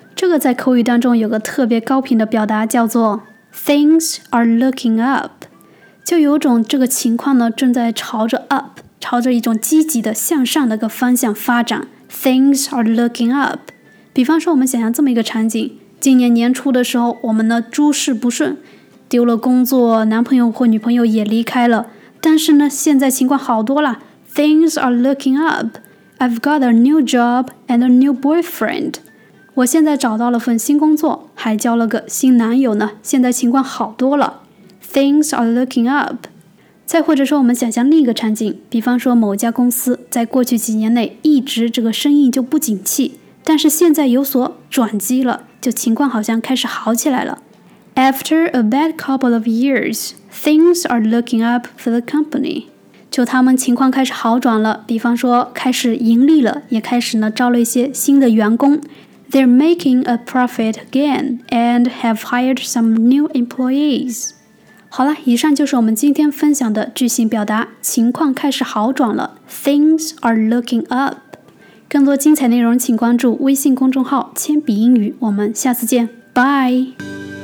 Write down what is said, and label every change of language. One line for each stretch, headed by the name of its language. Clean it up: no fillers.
Chinese: 这个在口语当中有个特别高频的表达叫做
English: Things are looking up，
Chinese: 就有种这个情况呢正在朝着 up， 朝着一种积极的向上的一个方向发展。
English: Things are looking up。
Chinese: 比方说我们想象这么一个场景，今年年初的时候，我们呢诸事不顺，丢了工作，男朋友或女朋友也离开了，但是呢现在情况好多了。
English: Things are looking up， I've got a new job and a new boyfriend。
Chinese: 我现在找到了份新工作，还交了个新男友呢，现在情况好多了。
English: Things are looking up。
Chinese: 再或者说我们想象另一个场景，比方说某家公司在过去几年内一直这个生意就不景气，但是现在有所转机了，就情况好像开始好起来了。
English: After a bad couple of years, things are looking up for the company。
Chinese: 就他们情况开始好转了，比方说开始盈利了，也开始呢招了一些新的员工。
English: They're making a profit again and have hired some new employees.
Chinese: 好了，以上就是我们今天分享的句型表达，情况开始好转了，
English: Things are looking up.
Chinese: 更多精彩内容请关注微信公众号铅笔英语，我们下次见， Bye!